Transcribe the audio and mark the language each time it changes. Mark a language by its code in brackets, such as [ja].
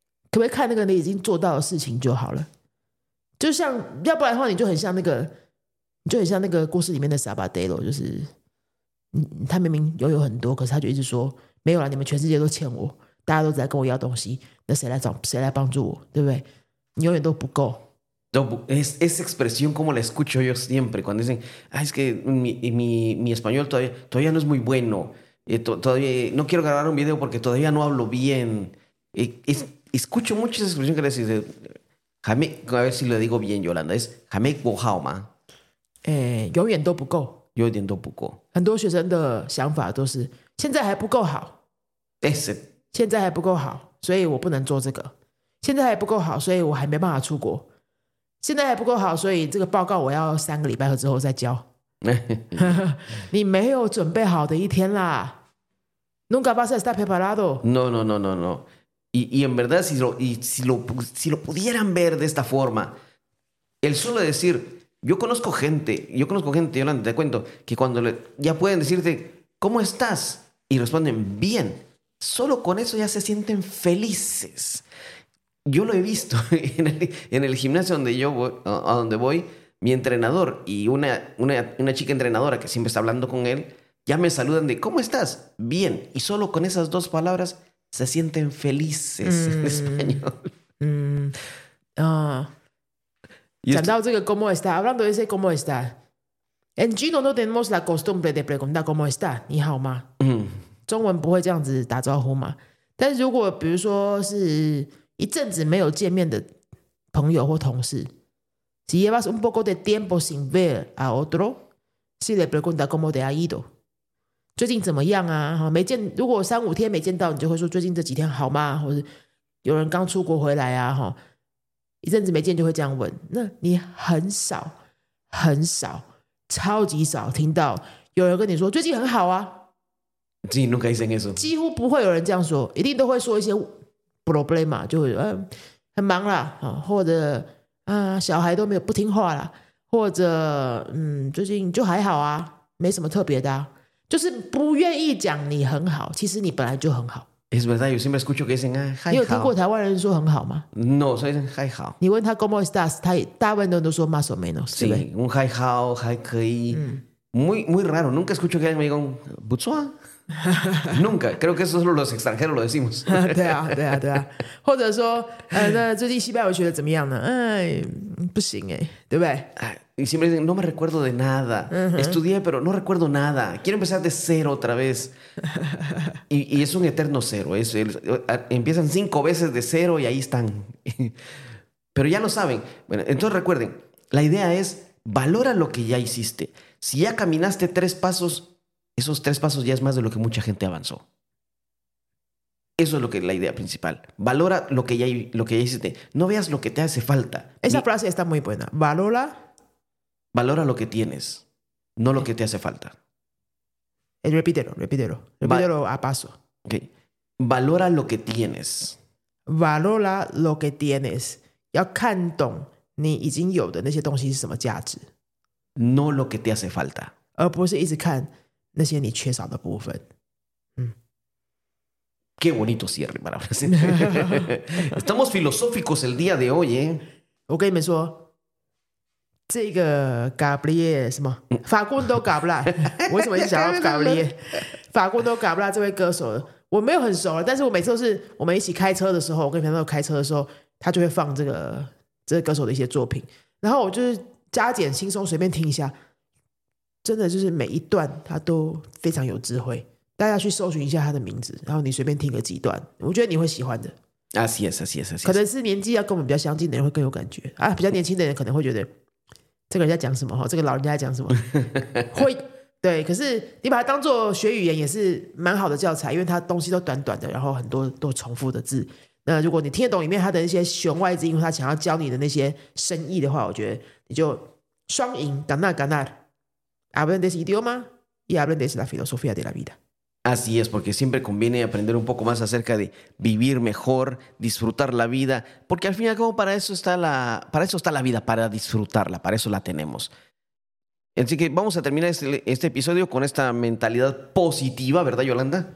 [zh] 可不可以看那个你已经做到的事情就好了。就像要不然的话，你就很像那个故事里面的 Sabadello， 就是他明明拥有很多，可是他就一直说没有了，你们全世界都欠我，大家都在跟我要东西，那谁来帮助我，对不对？你永远都不够。 [es] Esa expresión como la escucho yo siempre cuando dicen, es que mi español todavía no es muy bueno, todavía no quiero grabar un video porque todavía no hablo bien. Escucho mucho esa expresión que le dice. Jame, a ver si lo digo bien, Yolanda. Es jame gohao ma. [zh] 永远都不够。永远都不够。很多学生的想法都是现在还不够好。 [es] Ese. [zh] 现在还不够好，所以我不能做这个。现在还不够好，所以我还没办法出国。现在还不够好，所以这个报告我要三个礼拜之后再交。你没有准备好的一天啦。 [es] Nunca vas a estar preparado. No. Y en verdad, si lo pudieran ver de esta forma, el solo decir, yo conozco gente, Yolanda, te cuento, que cuando ya pueden decirte, ¿cómo estás? Y responden, bien. Solo con eso ya se sienten felices. Yo lo he visto en el gimnasio donde voy, mi entrenador y una chica entrenadora que siempre está hablando con él, ya me saludan de, ¿cómo estás? Bien. Y solo con esas dos palabras, se sienten felices en español. [zh] 讲到这个 [es] cómo está, hablando de ese cómo está, en chino no tenemos la costumbre de preguntar cómo está, [zh] 你好吗？中文不会这样子打招呼嘛。但是如果比如说是一阵子没有见面的朋友或同事， [es] si llevas un poco de tiempo sin ver a otro, si le pregunta cómo te ha ido, [zh] 最近怎么样啊，没见，如果三五天没见到，你就会说最近这几天好吗，或者有人刚出国回来啊，一阵子没见就会这样问。那你很少很少超级少听到有人跟你说最近很好啊，自己都可以生说，几乎不会有人这样说，一定都会说一些 problem 嘛，就会说很忙啦，或者小孩都没有不听话啦，或者最近就还好啊，没什么特别的啊，就是不愿意讲你很好，其实你本来就很好。 [es] Es verdad, yo siempre escucho que dicen, ah, hi, [zh] 你有听过台湾人说很好吗？ [es] No, soy un hi, how. [zh] 你问他 [es] cómo estás, [zh] 他大部分人都说 [es] más o menos, [zh] 对不对？ [es] Sí, un hi, how, hi, [zh] 可以。 [es] Muy, muy raro. Nunca escucho que alguien me diga un butsua. Nunca. Creo que eso solo los extranjeros lo decimos. [zh] 对啊，对啊，对啊。或者说，那最近西班牙学的怎么样呢？哎，不行哎，对不对？ [es] Y siempre dicen, no me recuerdo de nada. Uh-huh. Estudié, pero no recuerdo nada. Quiero empezar de cero otra vez. Y es un eterno cero. Empiezan 5 veces de cero y ahí están. Pero ya lo saben. Bueno, entonces recuerden, la idea es, valora lo que ya hiciste. Si ya caminaste 3 pasos, esos 3 pasos ya es más de lo que mucha gente avanzó. Eso es lo que la idea principal. Valora lo que ya hiciste. No veas lo que te hace falta. Esa frase está muy buena. Valora lo que tienes, no lo que te hace falta. Repítelo a paso. Okay. Valora lo que tienes. Valora lo que tienes. [zh] 要看懂你已经有的那些东西是什么价值。 [es] No lo que te hace falta. [zh] 而不是一直看那些你缺少的部分。 [es] Qué bonito cierre, palabras. Estamos filosóficos el día de hoy, ¿eh? [zh] 我跟你们说。这个 Gabriel 什么 Facundo Cabral 我为什么一直想到 Gabriel Facundo Cabral 这位歌手我没有很熟了，但是我每次都是我们一起开车的时候，我跟朋友开车的时候，他就会放这个歌手的一些作品，然后我就是加减轻松随便听一下，真的就是每一段他都非常有智慧，大家去搜寻一下他的名字，然后你随便听个几段，我觉得你会喜欢的。 [es] Así es, así es, así es. [zh] 可能是年纪要跟我们比较相近的人会更有感觉啊，比较年轻的人可能会觉得这个人在讲什么，这个老人家在讲什么会，对，可是你把它当作学语言也是蛮好的教材，因为它东西都短短的，然后很多都重复的字，那如果你听得懂里面它的那些弦外之音，它想要教你的那些深意的话，我觉得你就双赢 [es] ganar ganar aprendes idioma y aprendes la filosofía de la vida. Así es, porque siempre conviene aprender un poco más acerca de vivir mejor, disfrutar la vida, porque al fin y al cabo para eso está la vida, para disfrutarla, para eso la tenemos. Así que vamos a terminar este episodio con esta mentalidad positiva, ¿verdad, Yolanda?